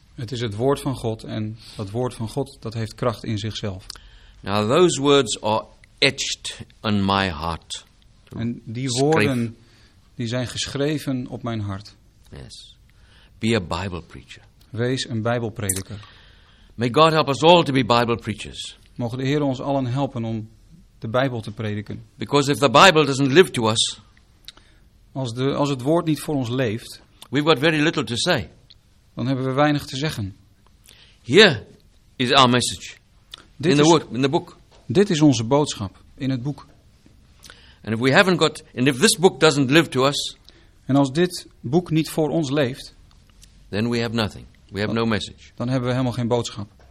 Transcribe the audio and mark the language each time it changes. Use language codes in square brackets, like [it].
[nl] Het is het woord van God en dat woord van God dat heeft kracht in zichzelf. [en] Now those words are etched on my heart. [nl] En die woorden die zijn geschreven op mijn hart. [en] Yes. Be a Bible preacher. [nl] Wees een Bijbelprediker. [en] May God help us all to be Bible preachers. [nl] Mogen de Heer ons allen helpen om de Bijbel te prediken. [en] Because if the Bible doesn't live to us, [nl] als het woord niet voor ons leeft, [en] we've got very little to say. [nl] Dan hebben we weinig te zeggen. [en] Here is our message. [nl] Dit [en] in the word, in the book. [nl] Dit is onze boodschap in het boek. [en] And if we haven't got, and if this book doesn't live to us, [nl] en als dit boek niet voor ons leeft, [en] then we have nothing. We have no message. [nl] Dan hebben we helemaal geen boodschap.